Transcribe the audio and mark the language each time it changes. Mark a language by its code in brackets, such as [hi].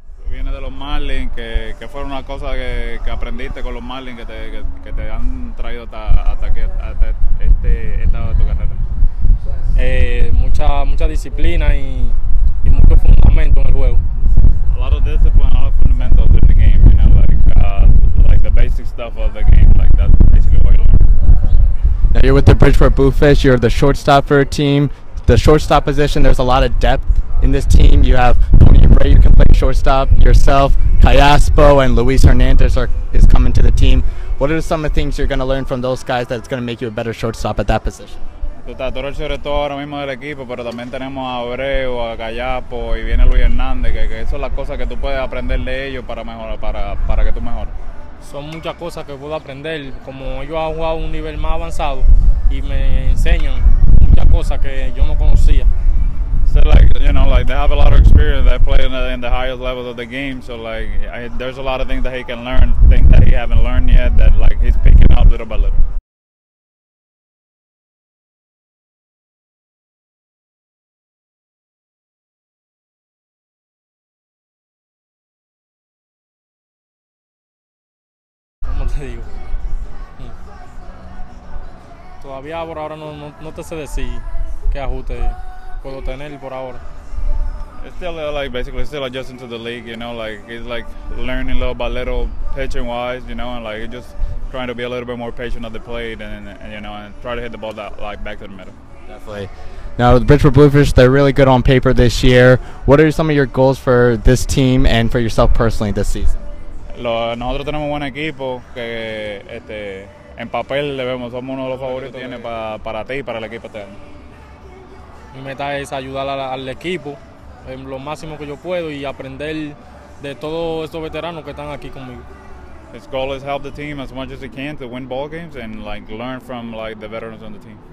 [es] Viene de los Marlins, que fue una cosa que aprendiste con los Marlins que te han traído hasta esta de tu carrera. Mucha disciplina y mucho fundamento en el juego. [en] A lot of discipline, a lot of fundamentals in the game, you know, like the basic stuff of the game, like that's basically what you learn. Now you're with the Bridgeport Bluefish, you're the shortstop for a team. The shortstop position, there's a lot of depth in this team. You have Ray, you can play shortstop yourself. Callaspo and Luis Hernandez is coming to the team. What are some of the things you're going to learn from those guys that's going to make you a better shortstop at that position? [es] Todo el shortstop ahora mismo del equipo, pero también tenemos a Abreu, a Callaspo y viene Luis Hernandez, que eso es las cosas que tú puedes aprender de ellos para mejorar, para que tú mejores. Son muchas cosas que puedo aprender, como yo he jugado un nivel más avanzado y me enseñan muchas cosas que yo no conocía. [en] So like, you know, like they have a lot of experience. They play in the highest levels of the game. So like, there's a lot of things that he can learn, things that he haven't learned yet that like he's picking up little by little. [es] ¿Cómo te digo? Todavía por ahora no te sé decir qué ajuste. Puedo tener por ahora. [en] It's still like basically still adjusting to the league, you know, like he's like learning little by little pitching wise, you know, and like just trying to be a little bit more patient at the plate and you know, and try to hit the ball that like back to the middle. Definitely. Now the Bridgeport Bluefish, they're really good on paper this year. What are some of your goals for this team and for yourself personally this season? [es] Nosotros tenemos un buen equipo que en papel le vemos somos uno de los favoritos tiene para ti y para el equipo también. Mi meta es ayudar al equipo en lo máximo que yo puedo y aprender de todos estos veteranos que están aquí conmigo. [en] His goal is help the team as much as he can to win ball games and like learn from like the veterans on the team.